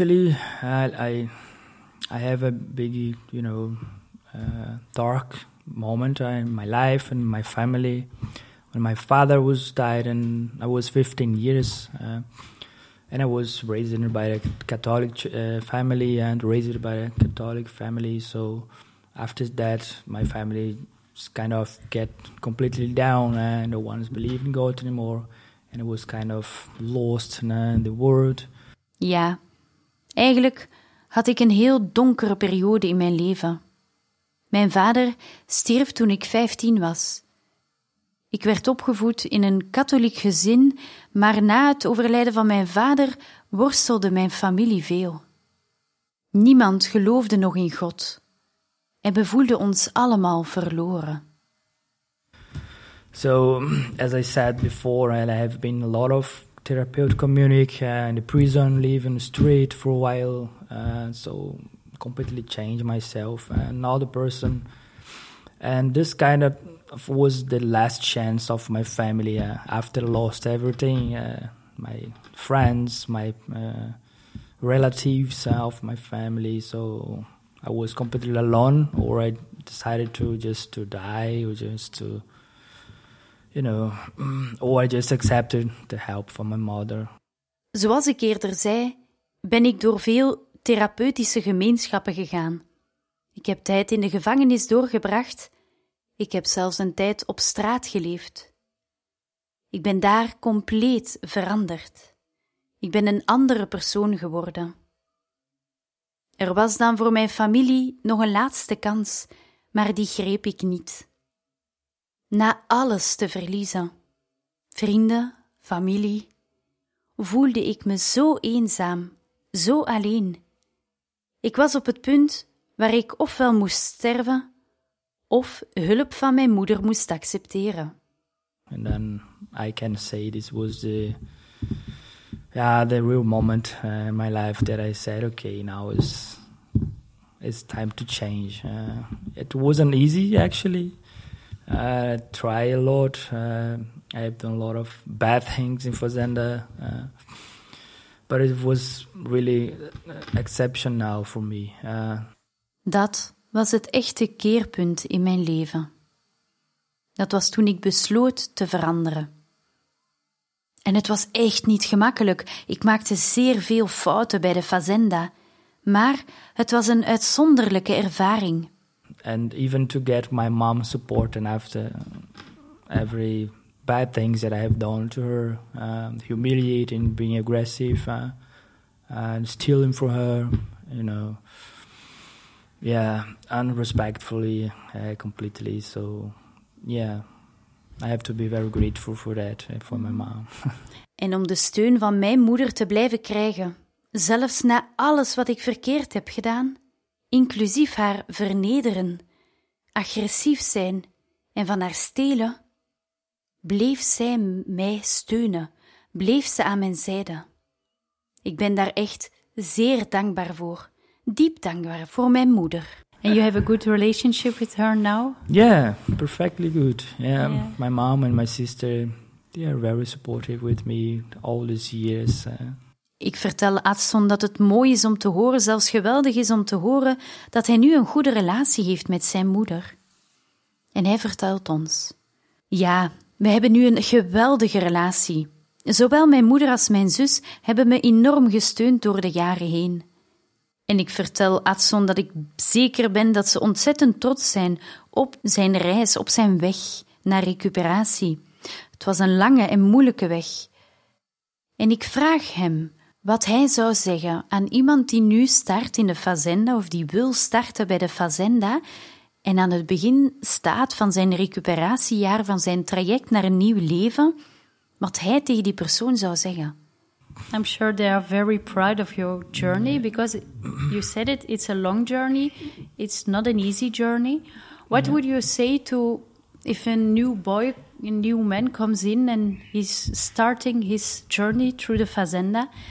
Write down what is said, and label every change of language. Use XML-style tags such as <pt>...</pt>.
<en>Actually, I have a big, you know, dark moment in my life and my family when my father was died and I was 15 years and I was raised by a Catholic family and raised by a Catholic family. So after that, my family kind of get completely down and no one's believing God anymore. And I was kind of lost in the world.</en> <nl>Yeah, eigenlijk... had ik een heel donkere periode in mijn leven. Mijn vader stierf toen ik 15 was. Ik werd opgevoed in een katholiek gezin, maar na het overlijden van mijn vader worstelde mijn familie veel. Niemand geloofde nog in God. En we voelden ons allemaal verloren.</nl> <en>So, as I said before, I have been a lot of... therapeutic community in the prison, live in the street for a while, so completely changed myself and another person. And this kind of was the last chance of my family after lost everything, my friends, my relatives of my family. So I was completely alone, or I decided to just to die or just to. You know, or I just accepted the help from my mother.</en> <nl>Zoals ik eerder zei, ben ik door veel therapeutische gemeenschappen gegaan. Ik heb tijd in de gevangenis doorgebracht. Ik heb zelfs een tijd op straat geleefd. Ik ben daar compleet veranderd. Ik ben een andere persoon geworden. Er was dan voor mijn familie nog een laatste kans, maar die greep ik niet. Na alles te verliezen, vrienden, familie, voelde ik me zo eenzaam, zo alleen. Ik was op het punt waar ik ofwel moest sterven, of hulp van mijn moeder moest accepteren.</nl> <en>And then I can say this was the, yeah, the real moment in my life that I said, okay, now it's time to change. It wasn't easy, actually. I try a lot. I have done a lot of bad things in Fazenda. But it was really exceptional for me.</en> <nl>Dat was het echte keerpunt in mijn leven. Dat was toen ik besloot te veranderen. En het was echt niet gemakkelijk. Ik maakte zeer veel fouten bij de Fazenda. Maar het was een uitzonderlijke ervaring.</nl> <en>And even to get my mom's support and after every bad things that I have done to her, humiliating, being aggressive, and stealing from her, you know, yeah, unrespectfully, completely. So, yeah, I have to be very grateful for that, for my mom.</en> <nl>En om de steun van mijn moeder te blijven krijgen, zelfs na alles wat ik verkeerd heb gedaan, inclusief haar vernederen, agressief zijn en van haar stelen, bleef zij mij steunen, bleef ze aan mijn zijde. Ik ben daar echt zeer dankbaar voor, diep dankbaar voor mijn moeder.</nl> <en>And you have a good relationship with her now? Yeah, perfectly good. Yeah, yeah. My mom and my sister, they are very supportive with me all these years.</en> <nl>Ik vertel Adson dat het mooi is om te horen, zelfs geweldig is om te horen, dat hij nu een goede relatie heeft met zijn moeder. En hij vertelt ons. Ja, we hebben nu een geweldige relatie. Zowel mijn moeder als mijn zus hebben me enorm gesteund door de jaren heen. En ik vertel Adson dat ik zeker ben dat ze ontzettend trots zijn op zijn reis, op zijn weg naar recuperatie. Het was een lange en moeilijke weg. En ik vraag hem wat hij zou zeggen aan iemand die nu start in de Fazenda of die wil starten bij de Fazenda en aan het begin staat van zijn recuperatiejaar, van zijn traject naar een nieuw leven, wat hij tegen die persoon zou zeggen.</nl> <en>I'm sure they are very proud of your journey because you said it, it's a long journey, it's not an easy journey. What would you say to if a new boy, a new man comes in and he's starting his journey through the Fazenda?</en>